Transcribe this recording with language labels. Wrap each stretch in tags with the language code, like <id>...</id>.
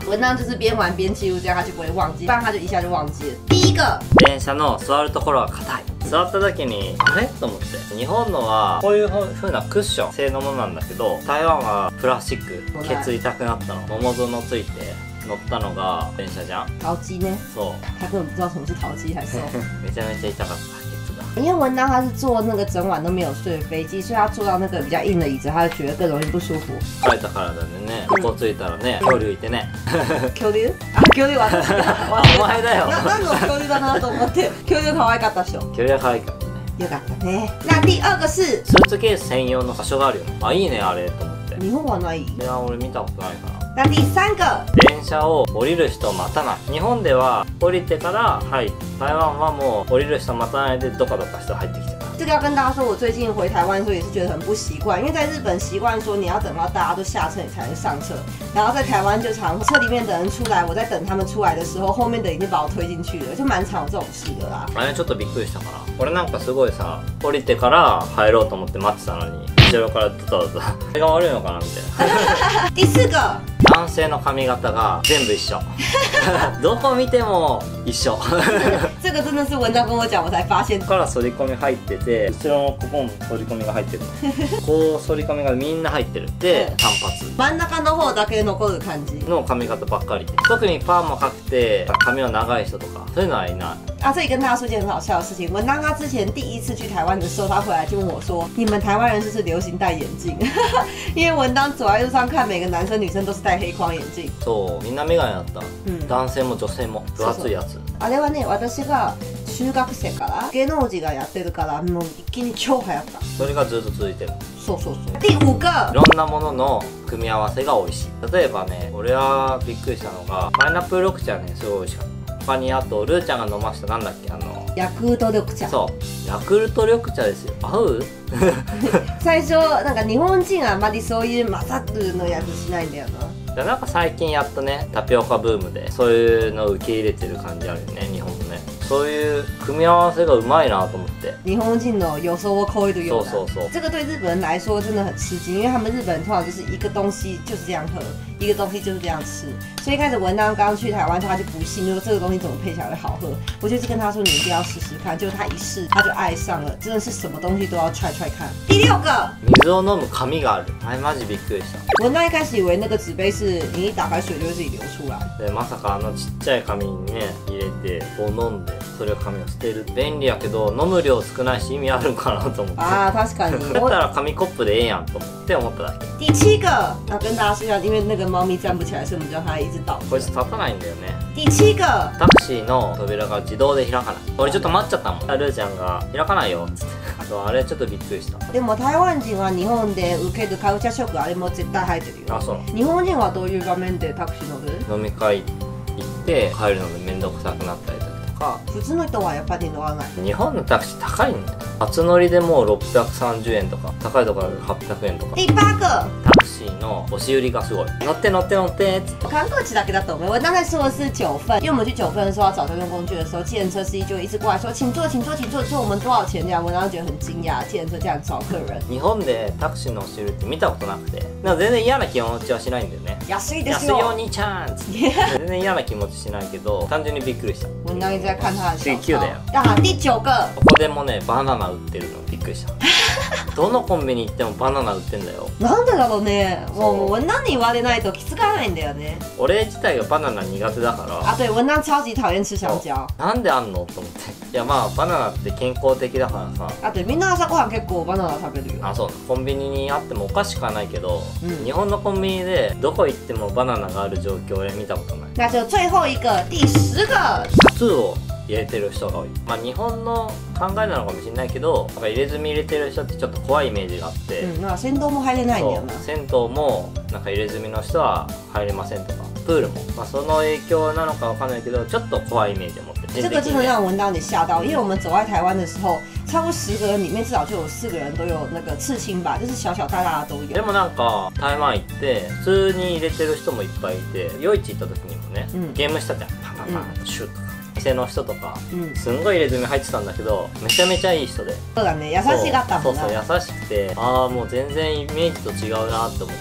<zh>文章就是边玩边记录，这样他就不会忘记，不然他就一下就忘记了。第一个。</zh> <ja>電車の座るところは硬い。座った時にあれと思って。日本のはこういう風なクッション性のものなんだけど、台湾はプラスチック。ケツ痛くなったの。桃園ついて乗ったのが電車じゃん。陶器ね。そう。</ja> <zh>他根本不知道什么是陶器还是。</zh> <ja>めちゃめちゃ痛かった。</ja> <zh>因为文章他是坐那个整晚都没有睡的飞机，所以他坐到那个比较硬的椅子，他就觉得更容易不舒服。</zh> <ja>疲れたからだね。ここ着いたらね、恐竜いてね。恐竜？あ、恐竜は私だ。お前だよ。なんの恐竜だなと思って。恐竜可愛かったでしょ。恐竜可愛かったね。よかったね。</ja> <zh>那第二个是。</zh> <ja>スーツケース専用の場所があるよ。あ、いいねあれと思って。日本はない。いや、俺見たことないから。</ja> <zh>那第三个。</zh> <ja>電車を降りる人待たない。日本では降りてから入って。台湾はもう降りる人待たないでどかどか人入ってきて</ja> <zh>る。这个要跟大家说，我最近回台湾的时候也是觉得很不习惯，因为在日本习惯说你要等到大家都下车你才能上车，然后在台湾就常车里面等人出来，我在等他们出来的时候，后面的已经把我推进去了，就蛮常有这种事的啦。</zh> <ja>あれちょっとびっくりしたかな。俺なんかすごいさ、降りてから入ろうと思って待ってたのに。後ろからずっとずっと。それが悪いのかなみたいな。</ja> <zh>第四個。</zh> <ja>男性の髪型が全部一緒。どこ見ても一緒。</ja> <zh>这个真的是文章跟我讲，我才发现。</zh> <ja>から反り込み入ってて、後ろもここも反り込みが入ってる。こう反り込みがみんな入ってる。で、短髪。真ん中の方だけ残る感じ。の髪型ばっかり。特にパーマかくて髪は長い人とか、そういうのはいない。</ja> <zh>啊，这里跟大家说件很好笑的事情。文章他之前第一次去台湾的时候，他回来就问我说：“你们台湾人是不是流行戴眼镜？” 因为文章走在路上看每个男生女生都是戴黑框眼镜。</zh> <ja>そう、みんな眼鏡だった。男性も女性も分厚いやつ。あれはね、私が中学生から芸能人がやってるからもう一気に超流行った。それがずっと続いてる。そうそうそう。</ja> <zh>第五个。</zh> <ja>いろんなものの組み合わせが美味しい。例えばね、俺はびっくりしたのがパイナップル緑茶ね、すごい美味しかった。他にあとルーちゃんが飲ましたなんだっけあのヤクルト緑茶そうヤクルト緑茶ですよ合う最初なんか日本人はあまりそういう混ざるのやつしないんだよなじゃなんか最近やっとねタピオカブームでそういうの受け入れてる感じあるよね日本もねそういう組み合わせがうまいなと思って日本人の予想を超えるようなそうそうそう</ja> <zh>这个对日本人来说真的很吃惊因为他们日本人通常就是一个东西就是这样喝一个东西就是这样吃，所以一开始文章刚去台湾，他就不信，就说这个东西怎么配起来会好喝。我就是跟他说，你一定要试试看。就他一试，他就爱上了，真的是什么东西都要 try try 看。第六个，</zh> <ja>水を飲む紙がある。哎，マジびっくりした。</ja> <zh>文章一开始以为那个纸杯是你一打开水就自己流出来。</zh> <ja>对，まさかあのちっちゃい紙にね入れてこう飲んで、それを紙を捨てる便利やけど飲む量少ないし意味あるかなと思って。ああ、確かに。だったら紙コップでええやんと思って思っただけ。</ja> <zh>第七个，那跟大家说一下，因为那个。猫咪站不起来，所以我们叫它一直倒。</zh> <ja>こいつ立たないんだよね。</ja> <zh>第七个。</zh> <ja>タクシーの扉が自動で開かない。俺ちょっと待っちゃったもん。ルーちゃんが開かないよ。あれちょっとびっくりした。でも台湾人は日本で受けるカルチャーショックあれも絶対入ってるよ。あ、そう。日本人はどういう場面でタクシー乗る？飲み会行って帰るので面倒くさくなったりとか。普通の人はやっぱり乗らない。日本のタクシー高いんだ。初乗りでもう630円とか、高いところ800円とか。</ja> <zh>第八个。</zh> <ja>の押し売りがすごい。乗って乗って乗ってっつって。観光地だけだと思う。</ja> <zh>我刚才说的是九份，因为我们去九份的时候要找交通工具的时候，计程车司机就一直过来说，请坐，请坐，请坐，坐我们多少钱这样。我当时觉得很惊讶，计程车这样找客人。</zh> <ja>日本でタクシーの押し売りって見たことなくて、なんか全然嫌な気持ちはしないんだよね。安いですよ。安いお兄ちゃんっつって。全然嫌な気持ちしないけど、単純にびっくりした。</ja> <zh>我刚才在看他的。</zh> <ja>次九だよ。だから</ja> <zh>第九个。</zh> <ja>ここでもねバナナ売ってるのびっくりした。どのコンビニ行ってもバナナ売ってんだよ。なんでだろうね。もう文章に言われないと気づかないんだよね。俺自体がバナナ苦手だから。</ja> <zh>あ、对，文章超级讨厌吃香蕉。</zh> <ja>なんであんのと思って。いやまあバナナって健康的だからさ。あ、对，みんな朝ごはん結構バナナ食べるよ。あ、そう。コンビニにあってもおかしくはないけど、日本のコンビニでどこ行ってもバナナがある状況を見たことない。</ja> <zh>那就最后一个，第十个。</zh> <ja>タトゥーを入れてる人が多い。まあ日本の。考えなのかもしれないけど、なんか入れ墨入れてる人ってちょっと怖いイメージがあって、うん、なんか銭湯も入れないんだよな。銭湯もなんか入れ墨の人は入れませんとか、プールも、まあその影響なのかわかんないけど、ちょっと怖いイメージを持って。</ja> <zh>这个真的让文章你吓到，因为我们走在台湾的时候。超过十个人里面至少就有四个人都有那个刺青吧，就是小小大大的都有。</zh> <ja>でもなんか台湾行って普通に入れてる人もいっぱいいて、夜市行った時にもね、ゲームしたじゃん、パンパンパンシュッとか。店の人とか、すんごい入れ墨入ってたんだけど、めちゃめちゃいい人で。そうだね、優しかったもんな。そうそう、優しくて、ああもう全然イメージと違うなって思う。</ja>